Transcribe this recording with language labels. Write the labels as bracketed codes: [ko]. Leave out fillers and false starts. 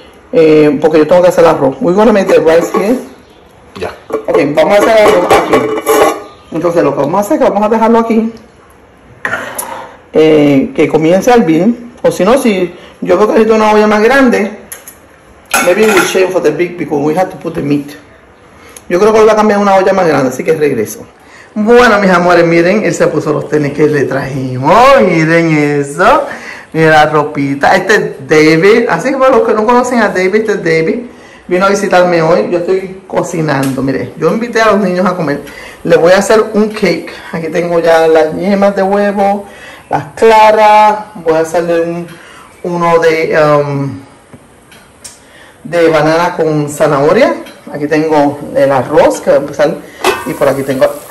[es] Porque yo tengo que hacer arroz. [en] We're gonna make the rice here. [es] Ya. [en] Yeah. [es] Ok, vamos a hacer arroz aquí. Entonces lo que vamos a hacer es que vamos a dejarlo aquí. Que comience a hervir. O si no, si yo veo que necesito una olla más grande. [en] Maybe we change for the big because we have to put the meat. [es] Yo creo que lo voy a cambiar a una olla más grande, así que regreso. Bueno, mis amores, miren, él se puso los tenis que le trajimos, miren eso, miren la ropita, este es David, así que para los que no conocen a David, este es David, vino a visitarme hoy, yo estoy cocinando, miren, yo invité a los niños a comer, les voy a hacer un cake, aquí tengo ya las yemas de huevo, las claras, voy a hacerle uno de banana con zanahoria, aquí tengo el arroz que va a empezar, y por aquí tengo...